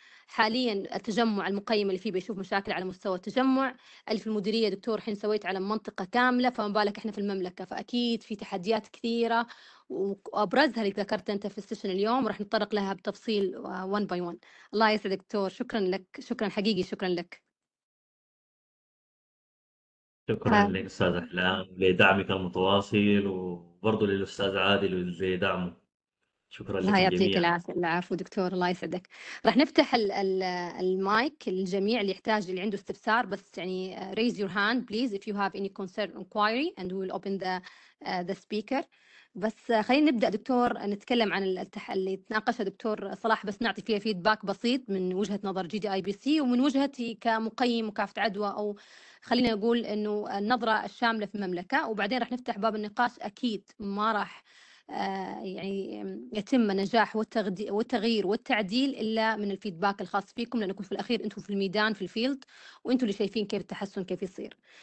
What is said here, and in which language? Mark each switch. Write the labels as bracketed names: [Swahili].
[Arabic] حاليا التجمع المقيم اللي فيه بيشوف مشاكل على مستوى التجمع، الف المديريه دكتور حين سويت على منطقه كامله، فما بالك احنا في المملكه، فاكيد في تحديات كثيره وابرزها اللي ذكرت انت في السيشن اليوم، وراح نتطرق لها بتفصيل 1 باي 1. الله يسعدك دكتور، شكرا لك، شكرا حقيقي، شكرا لك. شكرا لك استاذ احلام لدعمك المتواصل، وبرضه للاستاذ عادل لدعمه، شكرا الله لكم يعطيك جميعا. العافية. العفو دكتور، الله يسعدك. راح نفتح المايك للجميع اللي يحتاج، اللي عنده استفسار، بس يعني [English] raise your hand please if you have any concern inquiry and we will open the speaker. [Arabic] بس خلينا نبدأ دكتور نتكلم عن اللي تناقشه دكتور صلاح، بس نعطي فيها فيدباك بسيط من وجهة نظر جي دي اي بي سي ومن وجهتي كمقيم وكافه عدوى، او خلينا نقول انه النظرة الشاملة في المملكة، وبعدين راح نفتح باب النقاش. اكيد ما راح يعني يتم نجاح والتغيير والتعديل إلا من الفيدباك الخاص فيكم، لأنكم في الأخير أنتم في الميدان في الفيلد، وأنتم اللي شايفين كيف التحسن كيف يصير.